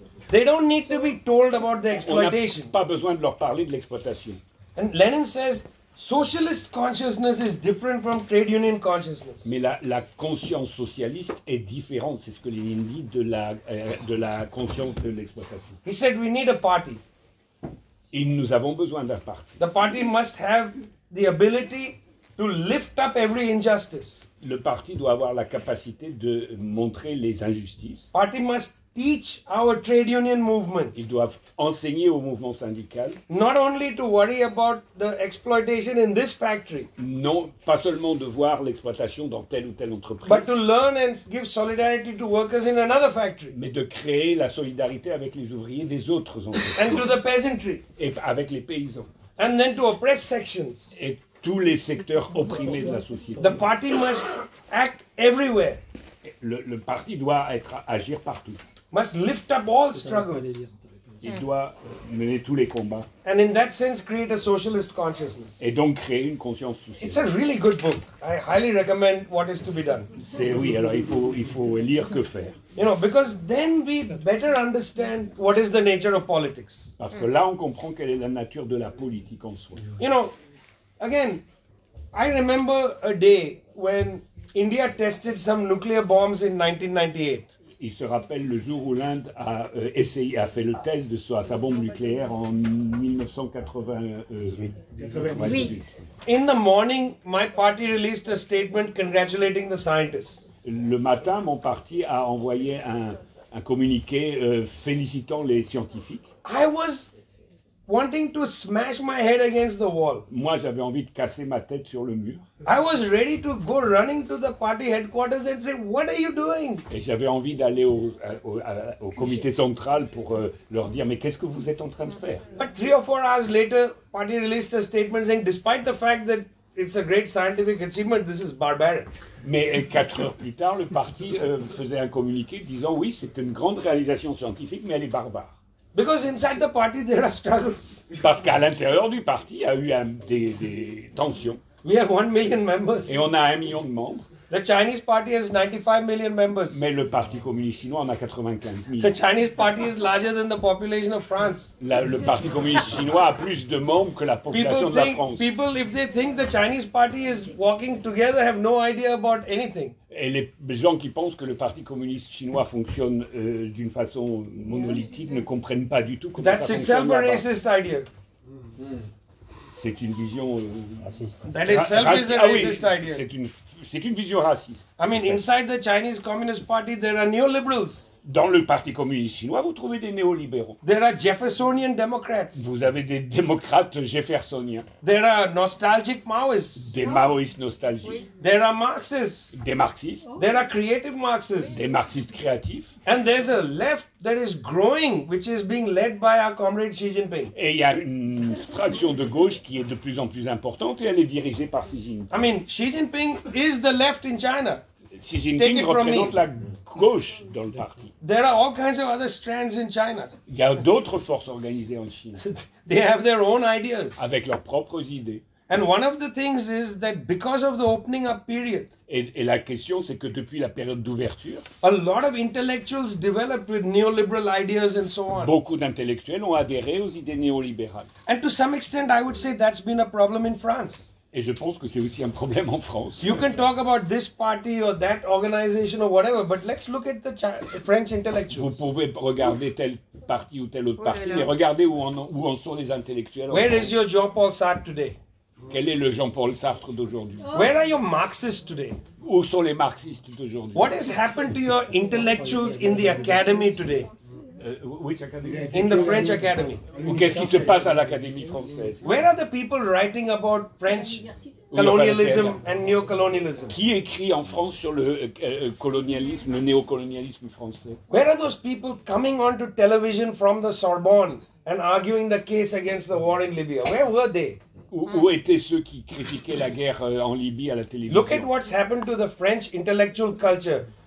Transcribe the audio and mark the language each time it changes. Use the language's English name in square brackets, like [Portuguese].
[English] They don't need to be told about the exploitation. [French] On a pas besoin de leur parler de l'exploitation. [English] And Lenin says socialist consciousness is different from trade union consciousness. [French] Mais la conscience socialiste est différente, c'est ce que Lenin dit de la conscience de l'exploitation. [English] He said we need a party. [French] Et nous avons besoin d'un parti. [English] The party must have the ability to lift up every injustice. [French] Le parti doit avoir la capacité de montrer les injustices. [English] Party must teach our trade union movement. [French] Ils doivent enseigner au mouvement syndical. [English] Not only to worry about the exploitation in this factory. [French] Non, pas seulement de voir l'exploitation dans telle ou telle entreprise. [English] But to learn and give solidarity to workers in another factory. [French] Mais de créer la solidarité avec les ouvriers des autres entreprises. [English] And to the peasantry. [French] Et avec les paysans. [English] And then to oppress sections. [French] Et tous les secteurs opprimés de la société. [English] The party must act everywhere. [French] Le parti doit agir partout. [English] Must lift up all struggles. [French] Il doit mener tous les combats. [English] And in that sense, create a socialist consciousness. [French] Et donc créer une conscience sociale. [English] It's a really good book. I highly recommend What is to be Done. [French] C'est oui. Alors il faut lire Que faire. [English] You know, because then we better understand what is the nature of politics. [French] Parce que là, on comprend quelle est la nature de la politique en soi. [English] You know. Again, I remember a day when India tested some nuclear bombs in 1998. [French] Il se rappelle le jour où l'Inde a fait le test de sa bombe nucléaire en 1988. [English] In the morning, my party released a statement congratulating the scientists. [French] Le matin, mon parti a envoyé un communiqué félicitant les scientifiques. [English] I was wanting to smash my head against the wall. [French] Moi, j'avais envie de casser ma tête sur le mur. [English] I was ready to go running to the party headquarters and say, "What are you doing?" [French] Et j'avais envie d'aller au comité central pour leur dire, mais qu'est-ce que vous êtes en train de faire? [English] But 3 or 4 hours later, party released a statement saying, despite the fact that it's a great scientific achievement, this is barbaric. [French] Mais 4 heures plus tard, le parti faisait un communiqué disant, oui, c'est une grande réalisation scientifique, mais elle est barbare. [English] Because inside the party there are struggles. [French] Parce qu'à l'intérieur du parti, il y a eu des tensions. [English] We have 1 million members. [French] Et on a 1 million de membres. [English] The Chinese party has 95 million members. [French] Mais le parti communiste chinois en a 95 millions. [English] The Chinese party is larger than the population of France. [French] Le parti communiste chinois a plus de membres que la population de la France. [English] People, if they think the Chinese party is walking together, have no idea about anything. [French] Et les gens qui pensent que le parti communiste chinois fonctionne d'une façon monolithique ne comprennent pas du tout comment [English] That's [French] ça fonctionne. [English] That's itself a racist idea. [French] C'est, C'est une vision raciste. [English] That itself is a racist idea. [French] C'est une vision raciste. [English] I mean, inside the Chinese Communist Party, there are neoliberals. [French] Dans le Parti communiste chinois, vous trouvez des néolibéraux. [English] There are Jeffersonian Democrats. [French] Vous avez des démocrates jeffersoniens. [English] There are nostalgic Maoists. [French] Des Maoïstes nostalgiques. Oui. [English] There are Marxists. [French] Des Marxistes. [English] Oh. There are creative Marxists. [French] Des Marxistes créatifs. [English] And there's a left that is growing, which is being led by our comrade Xi Jinping. [French] Et il y a une fraction de gauche qui est de plus en plus importante et elle est dirigée par Xi Jinping. [English] I mean, Xi Jinping is the left in China. [French] Xi Jinping représente la gauche dans le parti. [English] There are all kinds of other strands in China. [French] Il y a d'autres forces organisées en Chine. [English] They have their own ideas. [French] Avec leurs propres idées. [English] And one of the things is that because of the opening up period. [French] Et la question c'est que depuis la période d'ouverture, [English] a lot of intellectuals developed with neoliberal ideas and so on. [French] Beaucoup d'intellectuels ont adhéré aux idées néolibérales. [English] And to some extent, I would say that's been a problem in France. [French] Et je pense que c'est aussi un problème en France. [English] You can talk about this party or that organization or whatever, but let's look at the French intellectuals. [French] Vous pouvez regarder tel parti ou tel autre parti, mais regardez où en sont les intellectuels. [English] Where is your Jean-Paul Sartre today? [French] Quel est le Jean-Paul Sartre d'aujourd'hui? [English] Where are your Marxists today? [French] Où sont les marxistes d'aujourd'hui? [English] What has happened to your intellectuals in the academy today? Which academy? In the French academy. [French] Ou qu'est-ce qui se passe à l'académie française? [English] Where are the people writing about French colonialism and neo-colonialism? [French] Qui écrit en France sur le colonialisme, le néo-colonialisme français? [English] Where are those people coming onto television from the Sorbonne and arguing the case against the war in Libya? Where were they? [French] Où étaient ceux qui critiquaient la guerre en Libye à la télévision? [English] Look at what's happened to the French intellectual culture.